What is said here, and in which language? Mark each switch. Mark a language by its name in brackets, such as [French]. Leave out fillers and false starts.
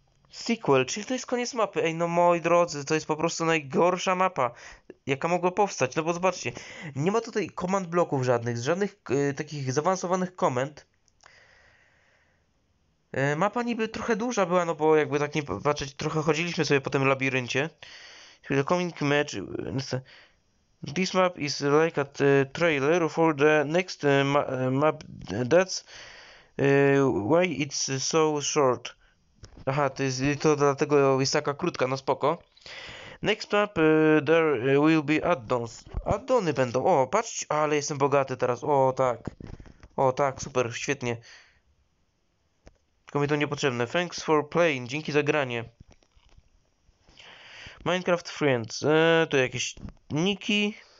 [Polish] Sequel, czyli to jest koniec mapy. Ej, no moi drodzy, to jest po prostu najgorsza mapa, jaka mogła powstać. No bo zobaczcie, nie ma tutaj command bloków żadnych, żadnych takich zaawansowanych command. Mapa niby trochę duża była, no bo jakby tak nie patrzeć, trochę chodziliśmy sobie po tym labiryncie. [English] The coming match. This map is like a trailer for the next map. That's why it's so short. [Polish] Aha, to dlatego jest taka krótka, no spoko. [English] Next map, there will be add-ons. [Polish] Add-ony będą, o patrzcie, ale jestem bogaty teraz, o tak. O tak, super, świetnie. Tylko mi to niepotrzebne. [English] Thanks for playing. [Polish] Dzięki za granie. Minecraft Friends. To jakieś niki.